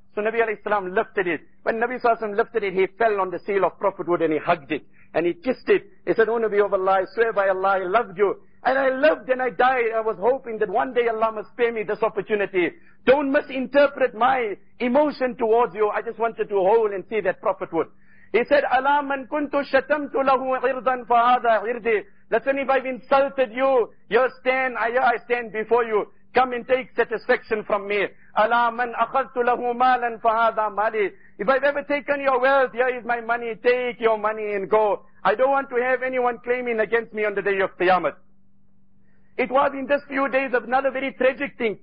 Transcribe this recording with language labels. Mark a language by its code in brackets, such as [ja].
[en] So Nabi alayhi salam lifted it. When Nabi sallallahu alayhi wasallam lifted it, he fell on the seal of prophethood and he hugged it. And he kissed it. He said, O Nabi of Allah, I swear by Allah, I loved you. And I lived and I died. I was hoping that one day Allah must spare me this opportunity. Don't misinterpret my emotion towards you. I just wanted to hold and see that prophethood. He said, [ar] أَلَا مَنْ كُنْتُ شَتَمْتُ لَهُ عِرْضًا فَهَذَا عِرْضِ. [en] Listen, if I've insulted you, I stand before you. Come and take satisfaction from me. [ar] أَلَا مَنْ أَخَذْتُ لَهُ مَالًا فَهَذَا مَالِ. [en] If I've ever taken your wealth, here is my money. Take your money and go. I don't want to have anyone claiming against me on the day of Qiyamah. It was in this few days of another very tragic thing.